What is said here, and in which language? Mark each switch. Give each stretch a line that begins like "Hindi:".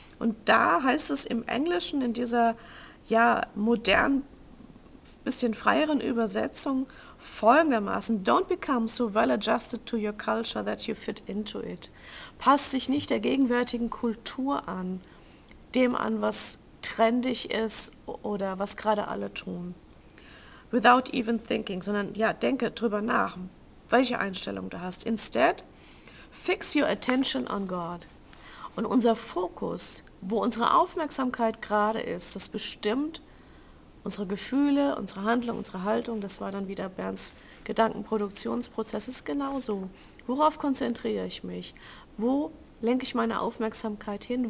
German: Und da heißt es im Englischen, in dieser ja modern, bisschen freieren Übersetzung folgendermaßen,
English: don't become so well adjusted to your culture that you fit into it.
German: Passt dich nicht der gegenwärtigen Kultur an, dem an, was trendig ist oder was gerade alle tun.
English: Without even thinking,
German: sondern ja, denke drüber nach, welche Einstellung du hast.
English: Instead, fix your attention on God.
German: Und unser Fokus, wo unsere Aufmerksamkeit gerade ist, das bestimmt unsere Gefühle, unsere Handlung, unsere Haltung. Das war dann wieder Bernds Gedankenproduktionsprozess. Das ist genauso. Worauf konzentriere ich mich? Wo lenke ich meine Aufmerksamkeit hin?